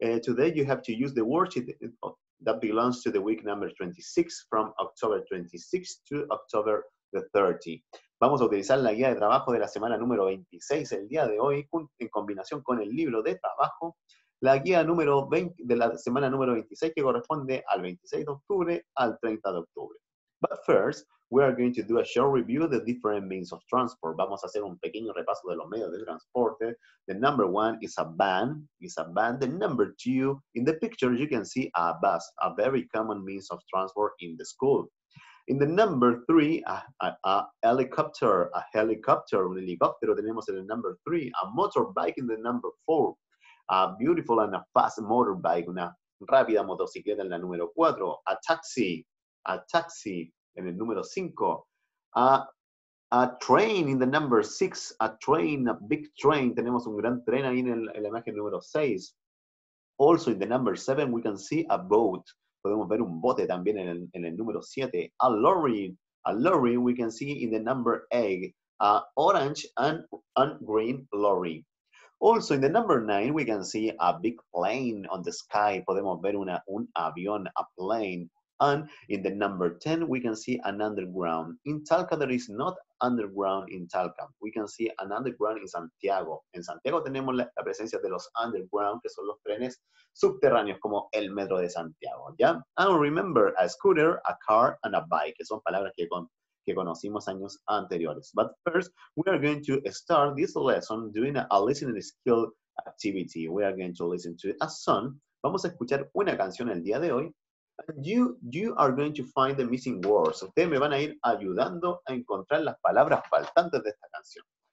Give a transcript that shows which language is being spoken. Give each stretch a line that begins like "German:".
English: Today you have to use the worksheet that belongs to the week number 26 from October 26 to October the 30.
Spanish: Vamos a utilizar la guía de trabajo de la semana número 26 el día de hoy en combinación con el libro de trabajo. La guía número 20 de la semana número 26 que corresponde al 26 de octubre al 30 de octubre.
English: But first, we are going to do a short review of the different means of transport.
Spanish: Vamos a hacer un pequeño repaso de los medios de transporte.
English: The number one is a van. The number two, in the picture you can see a bus, a very common means of transport in the school. In the number three, a helicopter,
Spanish: un helicóptero tenemos en el
English: number three, a motorbike in the number four. A beautiful and a fast motorbike,
Spanish: una rápida motocicleta en la número 4.
English: A taxi
Spanish: en el número 5.
English: A train in the number 6. A big train.
Spanish: Tenemos un gran tren ahí en la imagen número 6.
English: Also in the number 7, we can see a boat.
Spanish: Podemos ver un bote también en el número 7.
English: A lorry, we can see in the number 8. An orange and green lorry. Also, in the number 9, we can see a big plane on the sky.
Spanish: Podemos ver un avión,
English: a plane. And in the number 10, we can see an underground. In Talca, there is not underground in Talca. We can see an underground in Santiago.
Spanish: En Santiago tenemos la presencia de los
English: underground,
Spanish: que son los trenes subterráneos, como el metro de Santiago, ¿ya?
English: And remember, a scooter, a car, and a bike,
Spanish: que son palabras que conocimos años anteriores.
English: But first, we are going to start this lesson doing a listening skill activity. We are going to listen to a song.
Spanish: Vamos a escuchar una canción el día de hoy.
English: You are going to find the missing words.
Spanish: Ustedes me van a ir ayudando a encontrar las palabras faltantes de esta canción.